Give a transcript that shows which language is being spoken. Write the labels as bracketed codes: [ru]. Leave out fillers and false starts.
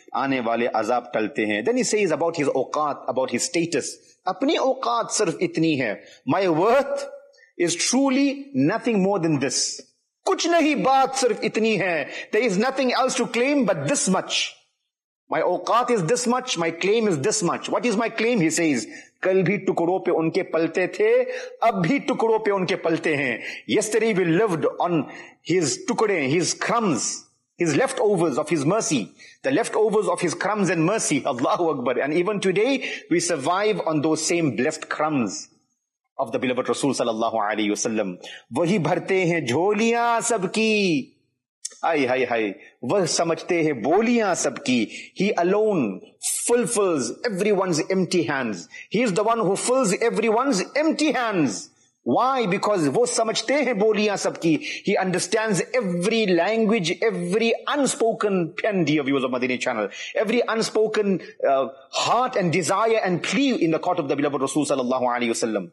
[ur] Aane wale azab talte hain. [en] Then he says about his awqat, about his status. [ur] Apni awqat sirf itni hai. [en] My worth is truly nothing more than this. [ur] Kuch nahi baat sirf itni hai. [en] There is nothing else to claim but this much. My awqat is this much, my claim is this much. What is my claim? He says, [ur] کل بھی ٹکڑوں پہ ان کے پلتے تھے, اب بھی ٹکڑوں پہ ان کے پلتے ہیں. [en] Yesterday we lived on his ٹکڑے, his crumbs, his leftovers of his mercy, the leftovers of his crumbs and mercy, Allahu Akbar. And even today we survive on those same blessed crumbs of the beloved Rasul sallallahu alayhi wasallam. [ur] وہی بھرتے ہیں جھولیاں سب کی, آئے ہائے ہائے, وہ سمجھتے ہیں بولیاں سب کی. [en] He alone fulfills everyone's empty hands. He is the one who fills everyone's empty hands. Why? Because [ur] وہ سمجھتے ہیں بولیاں سب کی. [en] He understands every language, every unspoken pen, dear viewers of Madinah channel, every unspoken heart and desire and plea in the court of the beloved Rasul sallallahu alayhi wa sallam.